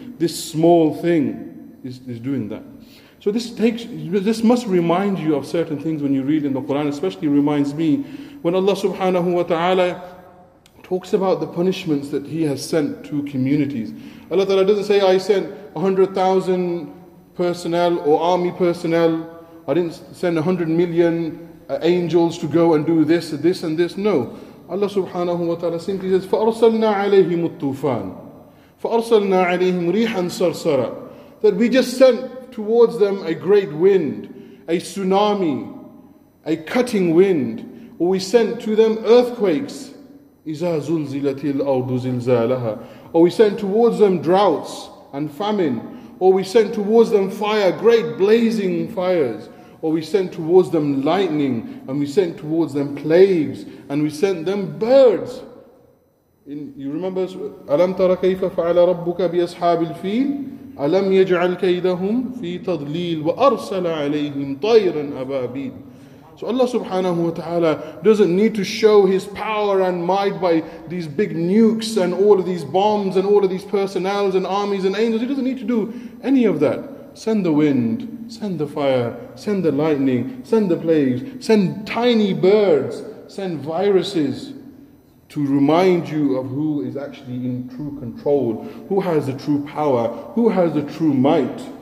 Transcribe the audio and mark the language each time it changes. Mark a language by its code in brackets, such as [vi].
[en] This small thing is doing that. So this must remind you of certain things when you read in the Quran, especially reminds me when Allah subhanahu wa ta'ala talks about the punishments that He has sent to communities. Allah Ta'ala doesn't say, I sent 100,000 personnel or army personnel. I didn't send 100 million angels to go and do this, this and this. No. Allah subhanahu wa ta'ala simply says, [ar] فَأَرْسَلْنَا عَلَيْهِمُ الطُّوفَانِ فَأَرْسَلْنَا عَلَيْهِمْ رِيحًا صَرْصَرًا. [en] That we just sent towards them a great wind, a tsunami, a cutting wind, or we sent to them earthquakes. [ar] إِذَا زُلْزِلَتِ الْأَرْضُ زِلْزَالَهَا. [en] Or we sent towards them droughts and famine. Or we sent towards them fire, great blazing fires. Or we sent towards them lightning. And we sent towards them plagues. And we sent them birds. You remember, [ar] أَلَمْ تَرَ كَيْفَ فَعَلَ رَبُّكَ بِأَصْحَابِ الْفِيلِ أَلَمْ يَجْعَلْ كَيْدَهُمْ فِي تَضْلِيلٍ وَأَرْسَلَ عَلَيْهِمْ طَيْرًا أَبَابِيلَ. [en] So Allah subhanahu wa ta'ala doesn't need to show His power and might by these big nukes and all of these bombs and all of these personnels and armies and angels. He doesn't need to do any of that. Send the wind, send the fire, send the lightning, send the plagues, send tiny birds, send viruses to remind you of who is actually in true control, who has the true power, who has the true might.